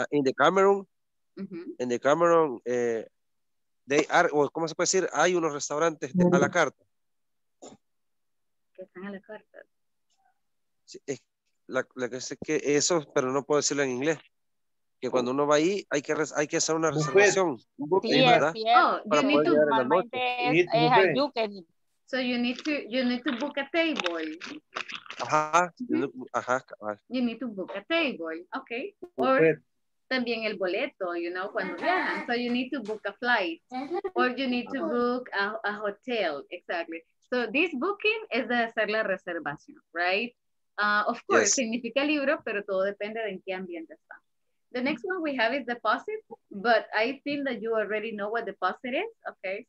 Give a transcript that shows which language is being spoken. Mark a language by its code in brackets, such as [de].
[en] In the Cameroon. Mm-hmm. In the Cameroon, they are, well, [es] ¿cómo se puede decir? Hay unos restaurantes de, a la carta. Que están a la carta. Sí, es, la que sé que eso, pero no puedo decirlo en inglés. Que cuando uno va ahí, hay que hacer una reservación. Sí, ¿verdad? Sí, para [en] you need to So you need to book a table. Ajá. Ajá. You need to book a table. Okay. Or [es] también el boleto, [en] you know, [es] cuando viajan. [en] So you need to book a flight. Or you need to book a hotel. Exactly. So this booking [es] es de hacer la reservación, [en] right? Of course, [es] Significa libro, pero todo depende de en qué ambiente está. [en] The next one we have is deposit, but I think that you already know what deposit is, okay?